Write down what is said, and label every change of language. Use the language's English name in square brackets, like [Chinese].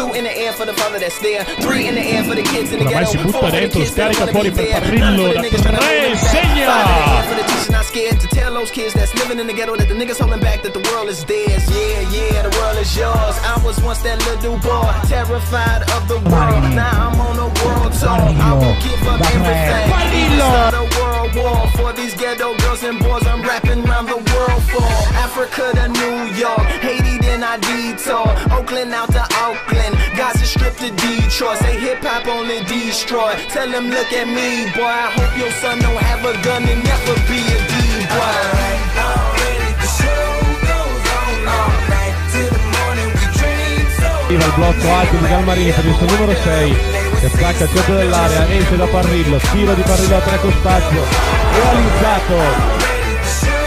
[Italian] Ormai si butta dentro, scarica fuori per Parrillo, da 3, segna! [English] Scared to tell those kids that's living in the ghetto that the niggas holding back that the world is theirs. Yeah, yeah, the world is yours. I was once that little boy, terrified of the world. Now I'm on a world tour. I won't give up everything. Start a world war for these ghetto girls and boys. I'm rapping around the world for Africa to New York, Haiti then I detour, Oakland out to Oakland, Gaza Strip to Detroit. Say hip hop only destroy. Tell them look at me, boy. I hope your son don't have a gun and never be. [Italian] Arriva il blocco alto di Galmarini per il numero 6 che attacca il centro dell'area, esce da Parrillo, tiro di Parrillo a tre con spazio, realizzato.